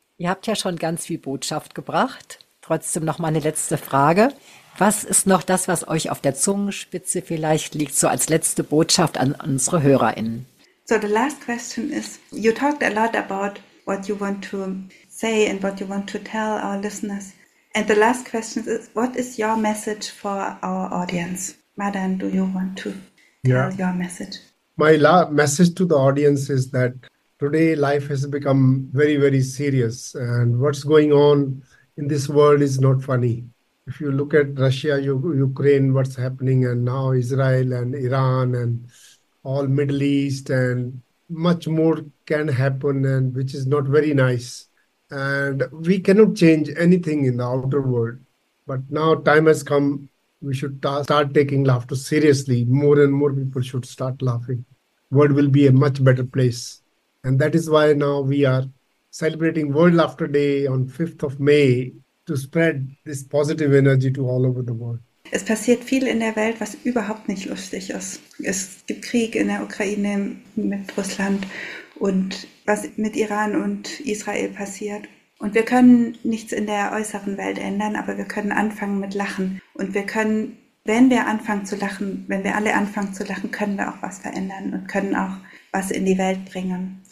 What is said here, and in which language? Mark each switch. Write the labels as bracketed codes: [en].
[de] Ihr habt ja schon ganz viel Botschaft gebracht. Trotzdem noch mal eine letzte Frage. Was ist noch das, was euch auf der Zungenspitze vielleicht liegt, so als letzte Botschaft an unsere HörerInnen? [en] So the last question is, you talked a lot about what you want to say and what you want to tell our listeners. And the last question is, what is your message for our audience? Madan, do you want to tell your message? My message to the audience is that today life has become very, very serious. And what's going on in this world is not funny. If you look at Russia, Ukraine, what's happening, and now Israel and Iran and all Middle East, and much more can happen, and which is not very nice. And we cannot change anything in the outer world. But now time has come, we should start taking laughter seriously. More and more people should start laughing. World will be a much better place. And that is why now we are celebrating World Laughter Day on 5th of May, to spread this positive energy to all over the world. [de] Es passiert viel in der Welt, was überhaupt nicht lustig ist. Es gibt Krieg in der Ukraine mit Russland und was mit Iran und Israel passiert. Und wir können nichts in der äußeren Welt ändern, aber wir können anfangen mit Lachen. Und wir können, wenn wir anfangen zu lachen, wenn wir alle anfangen zu lachen, können wir auch was verändern und können auch was in die Welt bringen.